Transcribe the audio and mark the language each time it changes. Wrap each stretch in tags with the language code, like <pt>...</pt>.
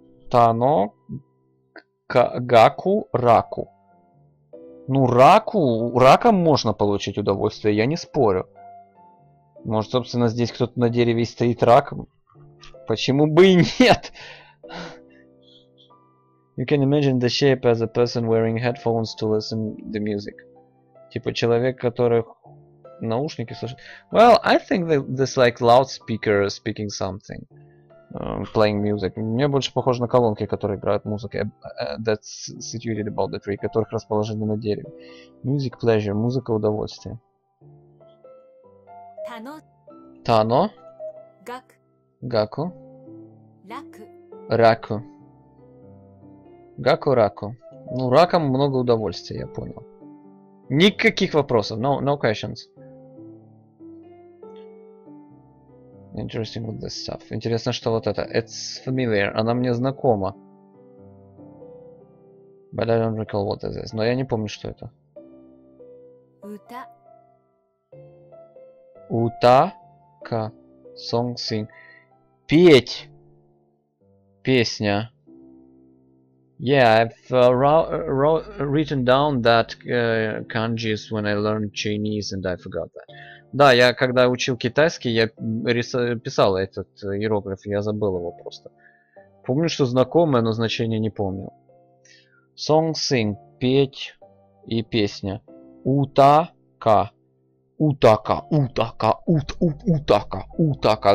<ja>Тано. Гаку, раку.</ja> <ru>Ну, раку, раком можно получить удовольствие, я не спорю. Может, собственно, здесь кто-то на дереве и стоит рак? Почему бы и нет?</ru> <en>You can imagine the shape as a person wearing headphones to listen the music.</en> <ru>Типа человек, который наушники слушает.</ru> <en>Well, I think that this like loudspeaker speaking something. Playing music.</en> <ru>Мне больше похоже на колонки, которые играют музыку.</ru> <en>That's situated about the tree,</en> <ru>которых расположены на дереве.</ru> <en>Music pleasure.</en> <ru>Музыка удовольствие.</ru> <ja>Тано. Тано. Гак. Гаку. Раку. Раку. Гаку, раку.</ja> <ru>Ну, раком много удовольствия, я понял. Никаких вопросов.</ru> <en>No, no questions. Interesting with this stuff.</en> <ru>Интересно, что вот это.</ru> <en>It's familiar.</en> <ru>Она мне знакома.</ru> <en>But I don't recall what this is.</en> <ru>Но я не помню, что это.</ru> <ja>Ута. Ута. Ка.</ja> <en>Song sing.</en> <ru>Петь. Песня.</ru> <en>Yeah, I've written down that kanji is when I learned Chinese and I forgot that.</en> <ru>Да, я когда учил китайский, я писал этот иероглиф, я забыл его просто. Помню, что знакомое, но значение не помню.</ru> <en>Song sing,</en> <ru>петь и песня.</ru> <ja>Утака. Утака, утака, утака, утака.</ja>